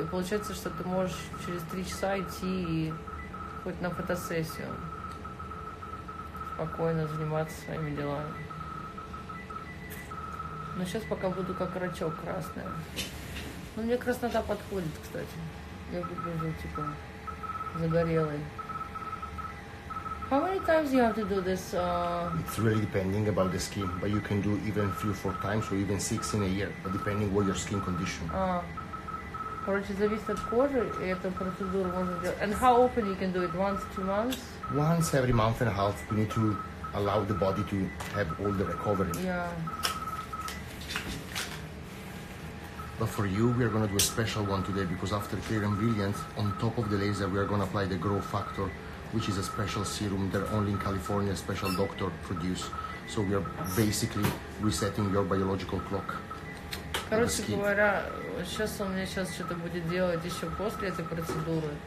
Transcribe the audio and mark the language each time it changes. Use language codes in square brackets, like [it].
[ru] И получается, что ты можешь через 3 часа идти и хоть на фотосессию. Спокойно заниматься своими делами. Но сейчас пока буду как рачок красный. Но мне краснота подходит, кстати. Я выгляжу, типа, загорелой. [en] How many times you have to do this? It's really depending about the skin, but you can do even 3-4 times or even 6 in a year, but depending what your skin condition. [ru] Короче, зависит от кожи, и эту процедуру можно делать. [en] And how often you can do it? Once, 2 months? Once every month and a half, you need to allow the body to have all the recovery. Yeah. But for you, we are going to do a special one today, because after Clear and Brilliant, on top of the laser, we are going to apply the growth factor, which is a special serum that only in California a special doctor produce. So we are basically resetting your biological clock. [ru] Короче говоря, сейчас он мне сейчас что-то будет делать еще после этой процедуры.